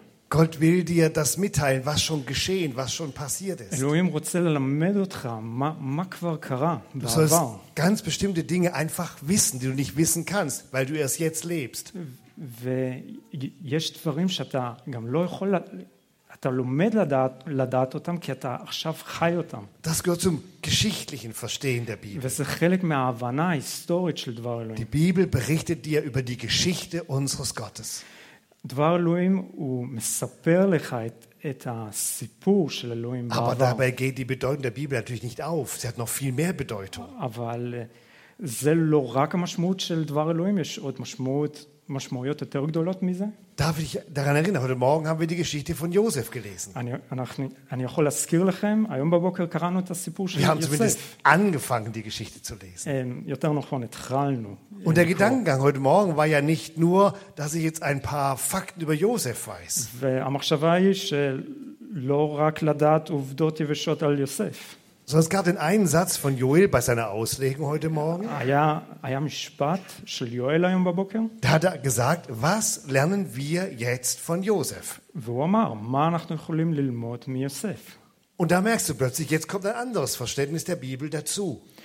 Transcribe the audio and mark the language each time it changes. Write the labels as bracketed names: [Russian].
[German] Gott will dir das mitteilen, was schon geschehen, was schon passiert ist. [Hebrew] Elohim רוצה ללמד אותך מה כבר קרה בעבר. [German] Du sollst ganz bestimmte Dinge einfach wissen, die du nicht wissen kannst, weil du erst jetzt lebst. [Hebrew] ויש דברים שאתה גם לא יכול אתה לומד לדעת אותם כי אתה עכשיו חי אותם. [German] Das gehört zum geschichtlichen Verstehen der Bibel. [Hebrew] וזה חלק מההבנה ההיסטורית של דבר אלוהים. [German] Die Bibel berichtet dir über die Geschichte unseres Gottes. [Hebrew] דבר אלוהים הוא מספר לך את הסיפור של אלוהים בעבר. [German] Aber dabei geht die Bedeutung der Bibel natürlich nicht auf. Sie hat noch viel mehr Bedeutung. [Hebrew] אבל זה לא רק המשמעות של דבר אלוהים, יש עוד משמעות. משמעויות יותר גדולות מזה? [German] Darf ich daran erinnern? Heute Morgen haben wir die Geschichte von Josef gelesen. [Hebrew] אני יכול להזכיר לכם, היום בבוקר קראנו את הסיפור של יוסף. [German] Wir haben zumindest angefangen, die Geschichte zu lesen. [Hebrew] יותר נכון, התחלנו. [German] Und der Gedankengang heute Morgen war ja nicht nur, dass ich jetzt ein paar Fakten über Josef weiß. [Hebrew] והמחשבה היא שלא רק לדעת עובדות יבשות על יוסף. [German] So, es gab den einen Satz von Joel bei seiner Auslegung heute Morgen. Da hat er gesagt, was lernen wir jetzt von Josef? Und da merkst du plötzlich, jetzt kommt ein anderes Verständnis der Bibel dazu.